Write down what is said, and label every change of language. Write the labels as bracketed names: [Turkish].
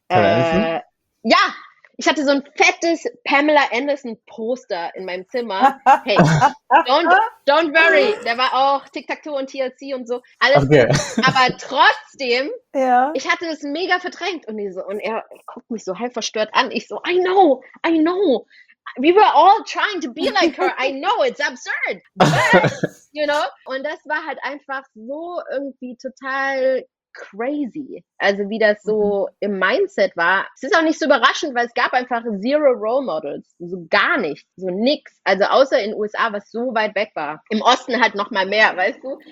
[German] Ja, ich hatte so ein fettes Pamela Anderson Poster in meinem Zimmer. [English] Hey, don't worry, [German] der war auch Tic-Tac-Toe und TLC und so, alles. Okay. Aber trotzdem, ja. Ich hatte das mega verdrängt und, so, und er guckt mich so halb verstört an. Ich so, [English] I know. We were all trying to be like her. I know, it's absurd. But, you know? [German] Und das war halt einfach so irgendwie total crazy. Also wie das so im Mindset war. Es ist auch nicht so überraschend, weil es gab einfach zero Role Models. So gar nicht. So nix. Also außer in den USA, was so weit weg war. Im Osten halt noch mal mehr, weißt du?